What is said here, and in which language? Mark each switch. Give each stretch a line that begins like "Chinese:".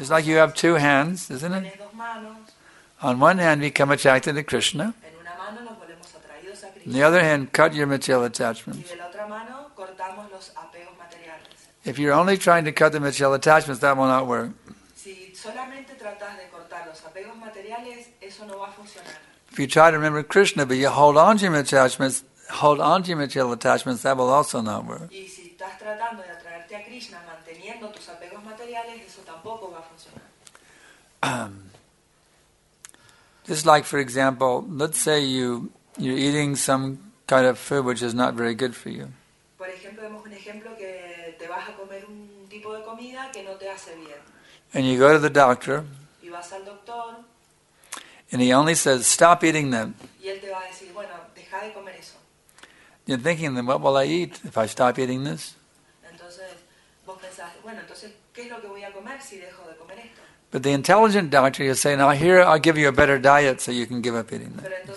English: It's like you have two hands, isn't it?
Spanish: Dos manos.
English: On one hand, become attracted to Krishna.
Spanish: En una mano nos volvemos atraídos a Krishna.
English: On the other hand, cut your material attachments.
Spanish: Y de la otra mano, cortamos los apegos materiales.
English: If you're only trying to cut the material attachments, that will not work.
Spanish: Si solamente tratas de cortar los apegos materiales, eso no va a funcionar.
English: If you try to remember Krishna, but you hold on to your attachments, hold on to your material attachments, that will also not work.
Spanish: Y si estás tratando de atraerte a Krishna manteniendo tus apegos materiales, eso tampoco va a funcionar.
English: Just like, for example, let's say you're eating some kind of food which is not very good for you.
Spanish: Por ejemplo, vemos un ejemplo que te vas a comer un tipo de comida que no te hace bien.
English: And you go to the doctor.
Spanish: Y vas al doctor.
English: And he only says, stop eating them.
Spanish: Y él te va a decir, bueno, deja de comer eso.
English: You're thinking, then what will I eat if I stop eating this? But the intelligent doctor, you say, now here I'll give you a better diet so you can give up eating that.